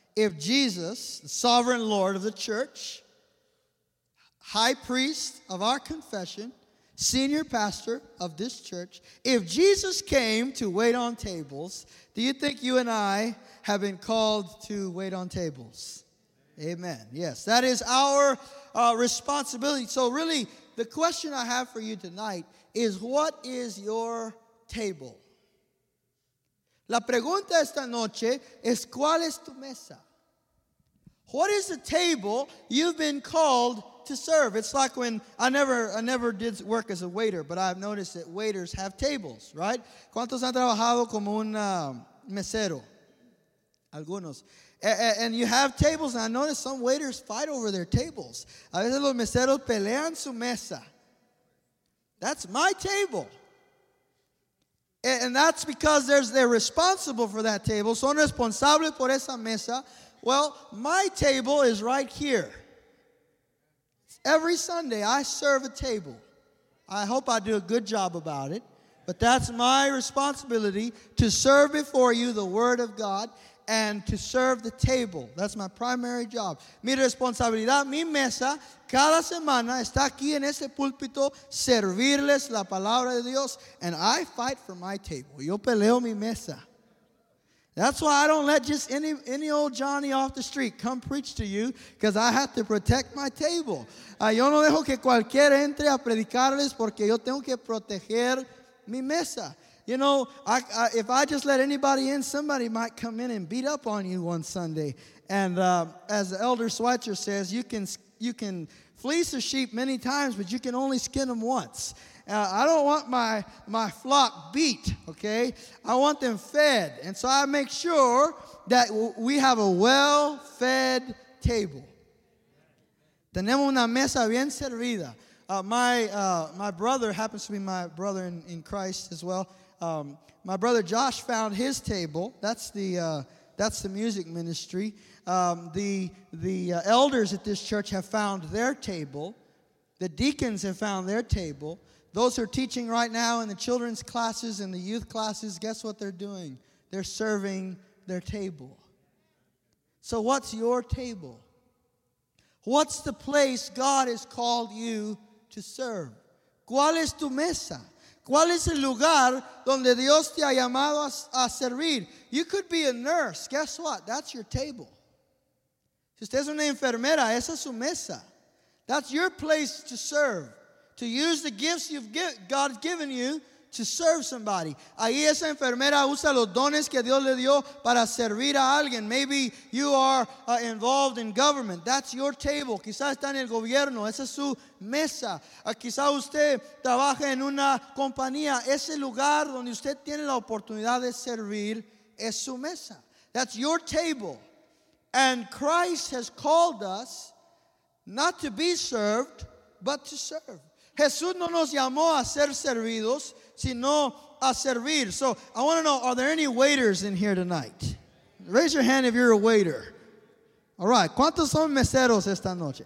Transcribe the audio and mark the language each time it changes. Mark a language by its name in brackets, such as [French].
[English] If Jesus, the sovereign Lord of the church, high priest of our confession, senior pastor of this church, if Jesus came to wait on tables, do you think you and I have been called to wait on tables? Amen. Yes, that is our responsibility. So really, the question I have for you tonight is, what is your table? [Spanish] La pregunta esta noche es, ¿cuál es tu mesa? [English] What is the table you've been called to serve? It's like when, I never did work as a waiter, but I've noticed that waiters have tables, right? [Spanish] ¿Cuántos han trabajado como un mesero? Algunos. [English] And you have tables, and I noticed some waiters fight over their tables. [Spanish] A veces los meseros pelean su mesa. [English] That's my table. And that's because they're responsible for that table. [Spanish] Son responsables por esa mesa. [English] Well, my table is right here. Every Sunday, I serve a table. I hope I do a good job about it. But that's my responsibility, to serve before you the Word of God and to serve the table. That's my primary job. [Spanish] Mi responsabilidad, mi mesa, cada semana está aquí en este púlpito, servirles la palabra de Dios. [English] And I fight for my table. [Spanish] Yo peleo mi mesa. [English] That's why I don't let just any old Johnny off the street come preach to you, because I have to protect my table. [Spanish] Yo no dejo que cualquiera entre a predicarles porque yo tengo que proteger mi mesa. [English] You know, if I just let anybody in, somebody might come in and beat up on you one Sunday. And as Elder Schweitzer says, you can fleece a sheep many times, but you can only skin them once. I don't want my flock beat, okay? I want them fed. And so I make sure that we have a well-fed table. [Spanish] Tenemos una mesa bien servida. [English] My brother happens to be my brother in Christ as well. My brother Josh found his table. That's the music ministry. The elders at this church have found their table. The deacons have found their table. Those who are teaching right now in the children's classes and the youth classes, guess what they're doing? They're serving their table. So what's your table? What's the place God has called you to serve? [Spanish] ¿Cuál es tu mesa? ¿Cuál es el lugar donde Dios te ha llamado a servir? [English] You could be a nurse. Guess what? That's your table. [Spanish] Si usted es una enfermera, esa es su mesa. [English] That's your place to serve. To use the gifts God's given you to serve somebody. [Spanish] Ahí esa enfermera usa los dones que Dios le dio para servir a alguien. [English] Maybe you are involved in government. That's your table. [Spanish] Quizás está en el gobierno. Esa es su mesa. Quizás usted trabaja en una compañía. Ese lugar donde usted tiene la oportunidad de servir es su mesa. [English] That's your table. And Christ has called us not to be served, but to serve. [Spanish] Jesús no nos llamó a ser servidos, sino a servir. [English] So I want to know, are there any waiters in here tonight? Raise your hand if you're a waiter. All right. [Spanish] ¿Cuántos son meseros esta noche?